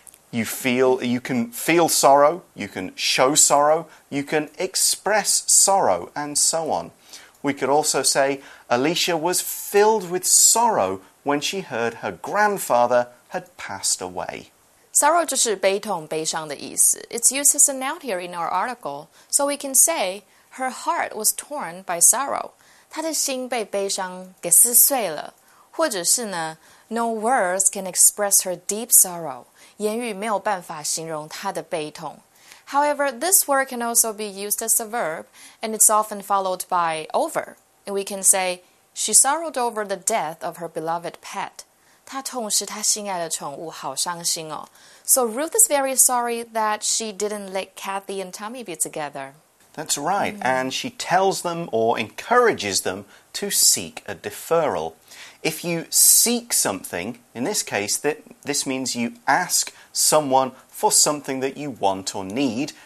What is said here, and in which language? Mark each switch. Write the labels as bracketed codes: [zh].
[en] You can feel sorrow, you can show sorrow, you can express sorrow, and so on. We could also say, Alicia was filled with sorrow when she heard her grandfather had passed away. [zh] Sorrow 就是悲痛悲伤的意思。 [en] It's used as a noun here in our article. So we can say, her heart was torn by sorrow. [zh] 她的心被悲伤给撕碎了。或者是呢 [en] No words can express her deep sorrow. [zh] 言语没有办法形容她的悲痛。 [en] However, this word can also be used as a verb, and it's often followed by over. And we can say, she sorrowed over the death of her beloved pet. [zh] 她痛失她心爱的宠物，好伤心哦。 [en] So Ruth is very sorry that she didn't let Kathy and Tommy be together. That's right,、mm-hmm. and she tells them or encourages them to seek a deferral. If you seek something, in this case, this means you ask someone for something that you want or need.